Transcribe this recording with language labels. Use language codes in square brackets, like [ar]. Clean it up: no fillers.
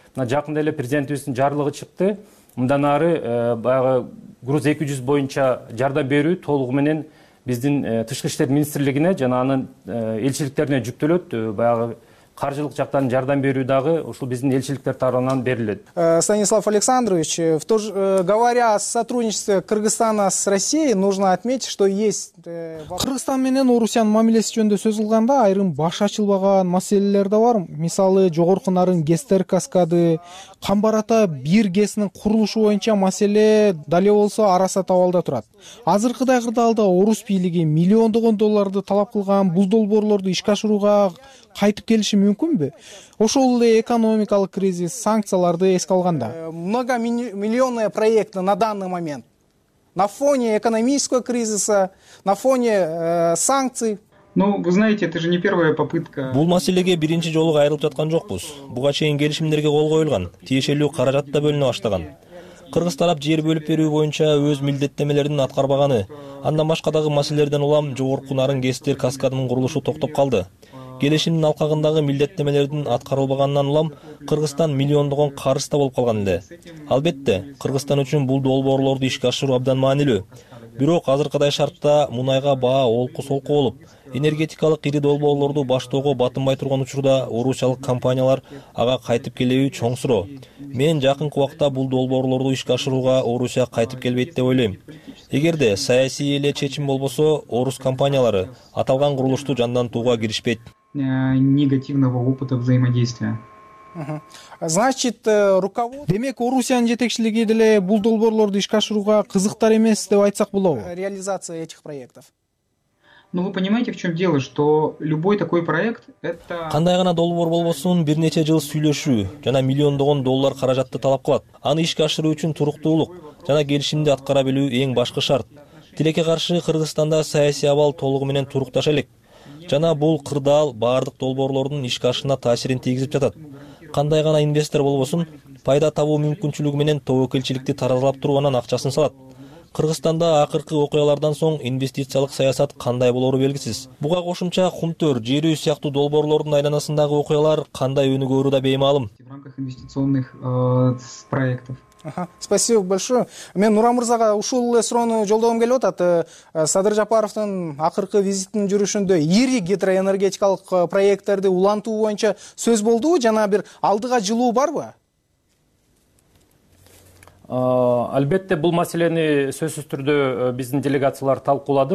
[ky] Мына жакында эле президентибиздин жарлыгы чыкты. Мындан ары баягы груз 200 боюнча жардам берүү толугу менен биздин тышкы иштер министрлигине жана анын элчиликтерине жүктөлөт. Баягы каржылык жактан жардам берүү дагы ушул биздин элчиликтер тарабынан берилет. [ru] Станислав Александрович, в то же говоря о сотрудничестве Кыргызстана с Россией, нужно отметить, что есть [ky] Кыргызстан менен Орусиянын мамилеси жөнүндө сөз кылганда айрым баш ачылбаган маселелер да бар. Мисалы, жогорку Нарын гестер каскады, Камбарата бир гесинин курулушу боюнча маселе дале болсо арасат абалда турат. Азыркыдай кырдаалда орус бийлиги миллиондогон долларды талап кылган бул долбоорлорду ишке ашырууга кайтып келиши мүмкүнбү? Ошол эле экономикалык кризис, санкцияларды эске алганда. [ru] Многомиллионные проекты на данный момент на фоне экономического кризиса, на фоне санкций. Ну, вы знаете, это же не первая попытка. [ky] Бул маселеге биринчи жолу кайрылып жаткан жокпуз. Буга чейин келишимдерге кол коюлган, тиешелүү каражат да бөлүнө баштаган. Кыргыз тарап жер бөлүп берүү боюнча өз милдеттемелерин аткарбаганы, андан башка дагы маселелерден улам жогорку Нарын гестер каскадынын курулушу токтоп калды. Келишимдин алкагындагы милдеттемелердин аткарылбаганынан улам Кыргызстан миллиондогон карызда болуп калган эле. Албетте, Кыргызстан үчүн бул долбоорлорду ишке ашыруу абдан маанилүү. Бирок азыркыдай шартта мунайга баа олку-солку болуп, энергетикалык ири долбоорлорду баштоого батынбай турган учурда орусиялык компаниялар ага кайтып келеби чоң суроо. Мен жакынкы убакта бул долбоорлорду ишке ашырууга Орусия кайтып келбейт деп ойлойм. Эгерде саясий эле чечим болбосо, орус компаниялары аталган курулушту жандантууга киришпейт. [ru] Негативного опыта взаимодействия. Значит, руководство. [ky] Демек, Орусиянын жетекчилиги деле бул долбоорлорду ишке ашырууга кызыктар эмес деп айтсак болобу? [ru] Реализация этих проектов. Ну вы понимаете, в чем дело, что любой такой проект это. [ky] Кандай гана долбоор болбосун, бир нече жыл сүйлөшүү жана миллиондогон доллар каражатты талап кылат. Аны ишке ашыруу үчүн туруктуулук жана келишимди аткара билүү эң башкы шарт. Тилекке каршы, Кыргызстанда саясий абал толугу менен турукташа элек. Жана бул кырдаал баардык долбоорлордун ишке ашына таасирин тийгизип жатат. Кандай гана инвестор болбосун, пайда табуу мүмкүнчүлүгү менен тобокелчиликти таразалап турганан акчасын салат. Кыргызстанда акыркы окуялардан соң инвестициялык саясат кандай болору белгисиз. Буга кошумча Кумтөр, жер үй сыяктуу долбоорлордун айланасындагы окуялар кандай өнүгөөрү да беймаалым. [ru] В рамках инвестиционных проектов. Спасибо большое. [ky] Мен Нура Мырзага ушул эле суроону жолдогом келип атат. Садыр Жапаровдун акыркы визитинин жүрүшүндө ири гидроэнергетикалык проекттерди улантуу боюнча сөз болдубу жана бир алдыга жылуу барбы? Албетте бул маселени сөзсүз түрдө биздин делегациялар талкуулады.